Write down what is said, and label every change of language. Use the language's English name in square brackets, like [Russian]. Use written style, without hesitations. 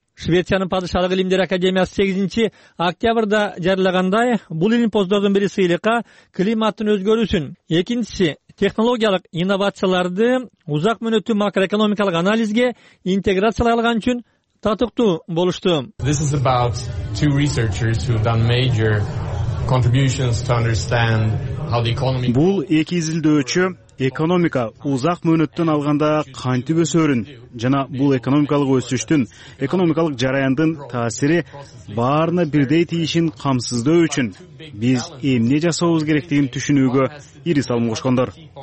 [Kyrgyz] Швециянын падышалык илимдер академиясы 8 октябрда жарыялагандай, бул илимпоздордун бири сыйлыкка климаттын өзгөрүүсүн, экинчиси технологиялык инновацияларды узак мөөнөттүү макроэкономикалык анализге интеграциялаган үчүн татыктуу болушту. [English] This is about two researchers who have done major contributions to understand how the economy. [Kyrgyz] Бул эки изилдөөчү экономика узак мөөнөттөн алганда кантип өсөрүн жана бул экономикалык өсүштүн экономикалык жараяндын таасири баарына бирдей тийишин камсыздоо үчүн биз эмне жасообуз керектигин түшүнүүгө ири салым кошкондор.